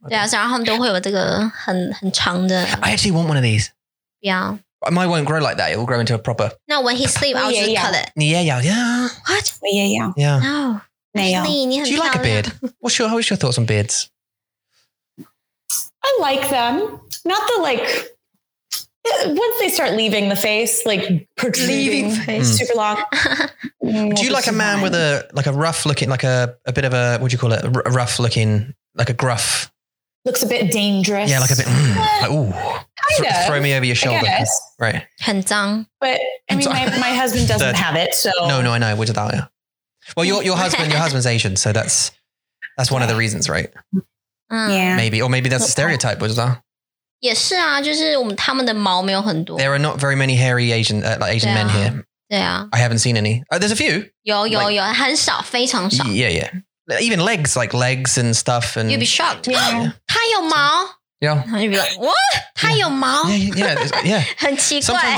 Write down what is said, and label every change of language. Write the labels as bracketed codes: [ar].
[zh] 对啊，然后他们都会有这个很长的。 [en] I actually want one of these. Yeah. Mine won't grow like that. It will grow into a proper... No, when he sleeps, I'll just cut it. [zh] 你也要, yeah. [en] What? [zh] 我也要。 [en] Yeah. No. [zh] 没有。 [en] Actually, [zh] 你很漂亮。 [en] Do you like a beard? How is your thoughts on beards? I like them. Not the like... Once they start leaving the face, like protruding leaving face. Super long. Do you like a man with a rough looking, like a bit of a, what do you call it? A rough looking, like a gruff. Looks a bit dangerous. Yeah, like a bit, like, ooh. Throw me over your shoulder. Right. [zh] 很脏. [en] But I mean, my husband doesn't have it, so. No, I know. What's that? Yeah. Well, your husband's Asian, so that's one of the reasons, right? Yeah. Maybe, or maybe that's a stereotype, what's that? [zh] 也是啊，就是我们他们的毛没有很多。 [en] There are not very many hairy Asian, like Asian men here. [zh] 对啊。 [en] I haven't seen any. There's a few. [zh] 有，很少，非常少。 [en] Yeah, yeah. Even legs, like legs and stuff. And you'd be shocked. Yeah. [zh] 他有毛。 [en] Yeah. And you'd be like, what? [zh] 他有毛。 [en] Yeah. [zh] 很奇怪。